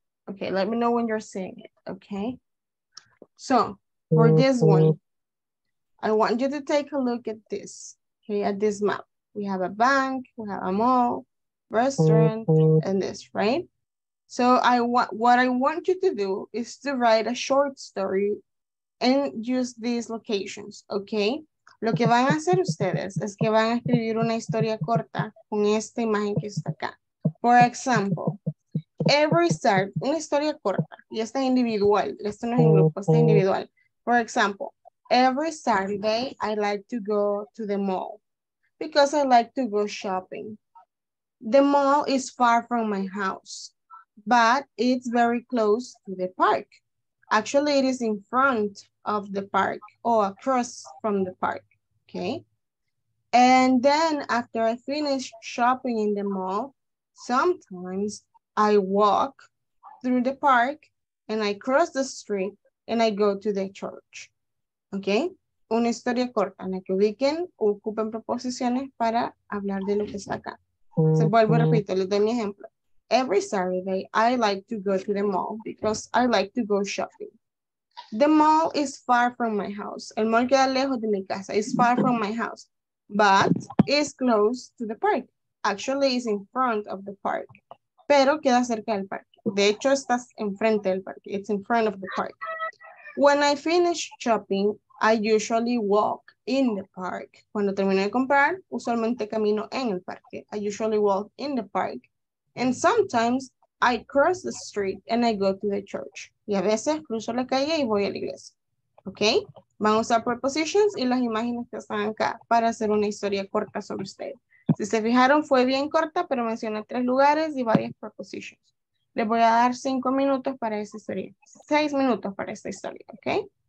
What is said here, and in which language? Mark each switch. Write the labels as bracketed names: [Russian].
[English] Okay, let me know when you're seeing it, okay? So for this one, I want you to take a look at this, okay, at this map. We have a bank, we have a mall, restaurant, and this, right? So what I want you to do is to write a short story and use these locations, okay? [Spanish] Lo que van a hacer ustedes es que van a escribir una historia corta con esta imagen que está acá. [English] For example, every start, [Spanish] una historia corta, y esta es individual, esto no es en grupo, esta es individual. [English] For example, every Saturday I like to go to the mall because I like to go shopping. The mall is far from my house, but it's very close to the park. Actually, it is in front of the park or across from the park, okay? And then after I finish shopping in the mall, sometimes I walk through the park and I cross the street and I go to the church, okay? [Spanish] Una historia corta en la que ubiquen o ocupen proposiciones para hablar de lo que está acá. Se vuelvo a repetir, les doy mi ejemplo. [English] Every Saturday, I like to go to the mall because I like to go shopping. The mall is far from my house. [Spanish] El mall queda lejos de mi casa. [English] It's far from my house, but it's close to the park. Actually, it's in front of the park. [Spanish] Pero queda cerca del parque. De hecho, estás enfrente del parque. [English] It's in front of the park. When I finish shopping, I usually walk in the park. [Spanish] Cuando termino de comprar, usualmente camino en el parque. [English] I usually walk in the park. And sometimes I cross the street and I go to the church. [Spanish] Y a veces cruzo la calle y voy a la iglesia. Okay? Van a usar prepositions y las imágenes que están acá para hacer una historia corta sobre usted. Si se fijaron, fue bien corta, pero mencioné 3 lugares y varias prepositions. Les voy a dar 5 minutos para esa historia. 6 minutos para esta historia, okay?